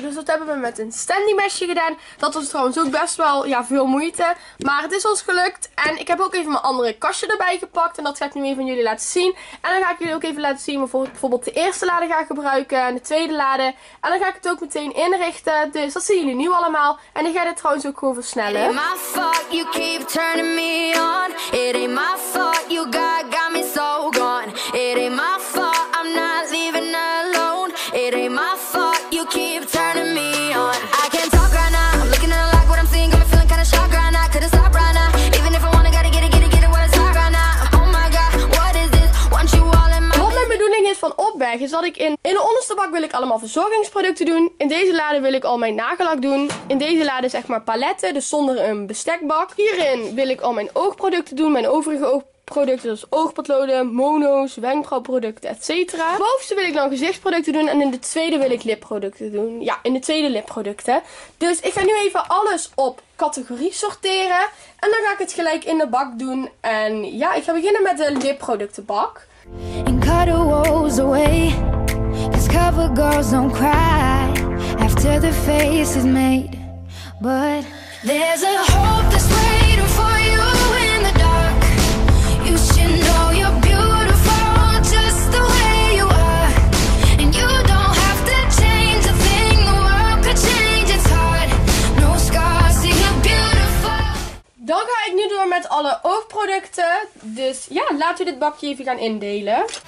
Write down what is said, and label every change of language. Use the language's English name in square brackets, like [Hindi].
[Dutch] Dus dat hebben we met een Stanley mesje gedaan. Dat was trouwens ook best wel veel moeite. Maar het is ons gelukt. En ik heb ook even mijn andere kastje erbij gepakt. En dat ga ik nu even van jullie laten zien. En dan ga ik jullie ook even laten zien waarvoor ik bijvoorbeeld de eerste lade ga gebruiken. En de tweede lade. En dan ga ik het ook meteen in. Dus dat zien jullie nu allemaal. En ik ga dit trouwens ook gewoon versnellen. [English] It ain't my fault you keep turning me on. It ain't my fault you got me so gone. It ain't my fault I'm not leaving alone. It ain't my fault you keep turning me on. I can't talk right now. I'm looking at a lock. What I'm seeing got me feeling kind of shocked right now. Couldn't stop right now. Even if I wanna gotta get it where it's hot right now. Oh my god, what is this? Want you all in my... [Dutch] Wat mijn bedoeling is van opbergen is dat ik in de onderste bak wil ik allemaal verzorgingsproducten doen. In deze lade wil ik al mijn nagellak doen. In deze lade zeg maar paletten, dus zonder een bestekbak. Hierin wil ik al mijn oogproducten doen. Mijn overige oogproducten, zoals oogpotloden, mono's, wenkbrauwproducten, etc. Bovenste wil ik dan gezichtsproducten doen. En in de tweede wil ik lipproducten doen. Ja, in de tweede lipproducten. Dus ik ga nu even alles op categorie sorteren. En dan ga ik het gelijk in de bak doen. En ja, ik ga beginnen met de lipproductenbak. [English] And cut the walls away. Cause cover girls don't cry after the face is made. But there's a hope that's waiting for you in the dark. You should know you're beautiful just the way you are. And you don't have to change a thing. The world could change its heart. No scars, see you're beautiful. [Dutch] Dan ga ik nu door met alle oogproducten. Dus ja, laat u dit bakje even gaan indelen.